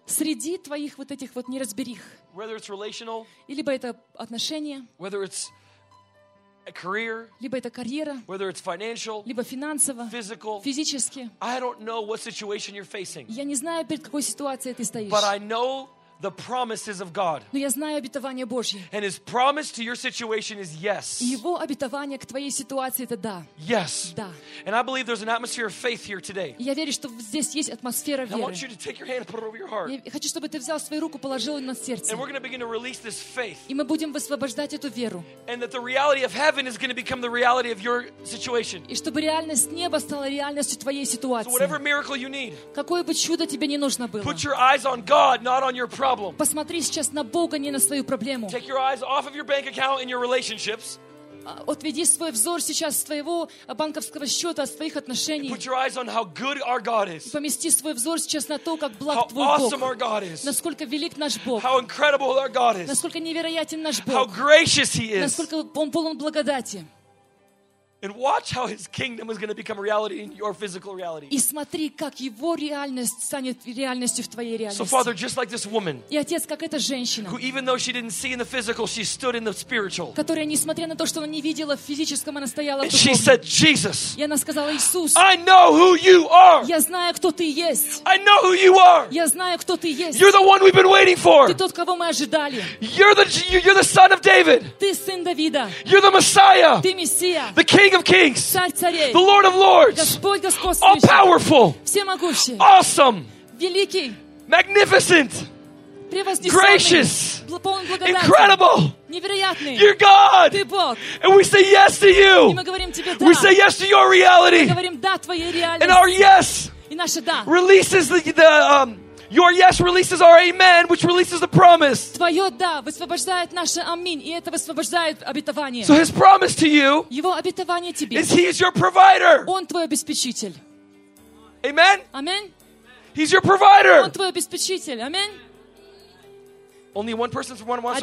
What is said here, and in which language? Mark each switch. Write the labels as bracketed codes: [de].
[ru] среди твоих вот этих вот неразберих, или бы это отношения, [en] career, [ru] либо это карьера, [en] whether it's financial, [ru] либо финансово, [en] physical, [ru] физически. [en] I don't know what situation you're facing. [ru] Я не знаю, перед какой ситуацией ты стоишь. [en] But I know the promises of God. [ru] Но я знаю обетование Божье. [en] And His promise to your situation is yes. [ru] И Его обетование к твоей ситуации — это да. [en] Yes. [ru] Да. [en] And I believe there's an atmosphere of faith here today. [ru] Я верю, что здесь есть атмосфера веры. [en] I want you to take your hand and put it over your heart. [ru] Я хочу, чтобы ты взял свою руку, положил ее на сердце. [en] And we're going to begin to release this faith. [ru] И мы будем высвобождать эту веру. [en] And that the reality of heaven is going to become the reality of your situation. [ru] И чтобы реальность неба стала реальностью твоей ситуации. [en] So whatever miracle you need. [ru] Какое бы чудо тебе не нужно было. [en] Put your eyes on God, not on your problem. [ru] Посмотри сейчас на Бога, не на свою проблему. [en] Take your eyes off of your bank account and your relationships. [ru] Отведи свой взор сейчас с твоего банковского счета, от своих отношений. [en] Put your eyes on how good our God is. [ru] Помести свой взор сейчас на то, как благ твой Бог. [en] How awesome our God is. [ru] Насколько велик наш Бог. [en] How incredible our God is. [ru] Насколько невероятен наш Бог. [en] How gracious He is. [ru] Насколько Он полон благодати. [en] And watch how His kingdom is going to become reality in your physical reality. [ru] И смотри, как Его реальность станет реальностью в твоей реальности. [en] So Father, just like this woman, [ru] и отец, как эта женщина, [en] who even though she didn't see in the physical, she stood in the spiritual, [ru] которая, несмотря на то, что она не видела в физическом, она стояла в духовном. [en] She said, Jesus. [ru] И она сказала, Иисус. [en] I know who you are. [ru] Я знаю, кто ты есть. [en] I know who you are. [ru] Я знаю, кто ты есть. [en] You're the one we've been waiting for. [ru] Ты тот, кого мы ожидали. [en] You're the son of David. [ru] Ты сын Давида. [en] You're the Messiah. [ru] Ты мессия. [en] The King of kings, [ru] царь царей, [en] the Lord of lords, [ru] Господь Господь, [en] all powerful, [ru] всемогущий, [en] awesome, [ru] великий, [en] magnificent, [ru] превознесенный, [en] gracious, [ru] полон благодати, [en] incredible, [ru] невероятный, [en] you're God, [ru] ты Бог, [en] and we say yes to you, [ru] и мы говорим тебе да, [en] we say yes to your reality, [ru] мы говорим да твоей реальности, [en] and our yes, [ru] и наше да, [en] releases your yes releases our amen, which releases the promise. [ru] Твое да высвобождает наше аминь, и это высвобождает обетование. [en] So His promise to you, [ru] Его обетование тебе, [en] is He is your provider. [ru] Он твой обеспечитель. [en] Amen. Amen. He's your provider. [ru] Он твой обеспечитель. [en] Amen. Only one person from one wants